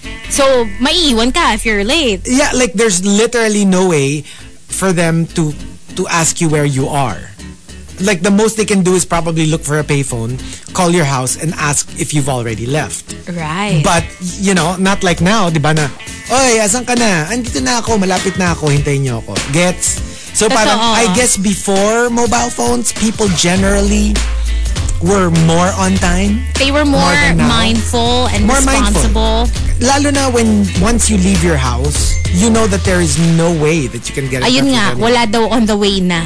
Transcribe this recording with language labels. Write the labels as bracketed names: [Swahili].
[English] So, [Filipino] maiiwan ka [English] if you're late. Yeah, like, there's literally no way for them to ask you where you are. Like, the most they can do is probably look for a payphone, call your house, and ask if you've already left. Right. But, you know, not like now, [Filipino] di ba na, oy, asan ka na? Andito na ako, malapit na ako, hintayin niyo ako. [English] Gets? So, that's parang, I guess before mobile phones, people generally were more on time. They were more mindful and more responsible. Mindful. [Filipino] Lalo na [English] when once you leave your house, you know that there is no way that you can get it. [Filipino] Ayun nga, wala daw [English] on the way [Filipino] na.